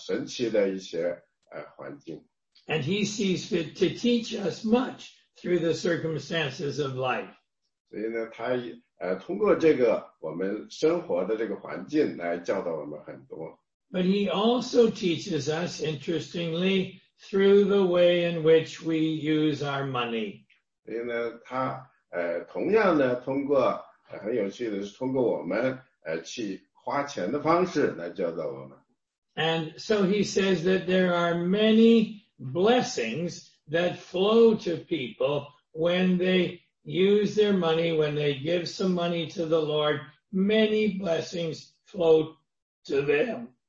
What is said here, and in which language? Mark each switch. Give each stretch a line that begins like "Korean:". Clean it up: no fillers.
Chinese: 所以呢，有时候就是一种很正平常的一些环境，有时候也是非常神奇的一些环境。
English: And he sees fit to teach us much through the circumstances of life.
Chinese: 所以呢，他通过这个我们生活的这个环境来教导我们很多。
English: But he also teaches us, interestingly, through the way in which we use our money.
Chinese: 所以呢，他同样呢，通过很有趣的是通过我们去花钱的方式来教导我们。
English: And so he says that there are many blessings that flow to people when they use their money, when they give some money to the Lord, many blessings flow to them.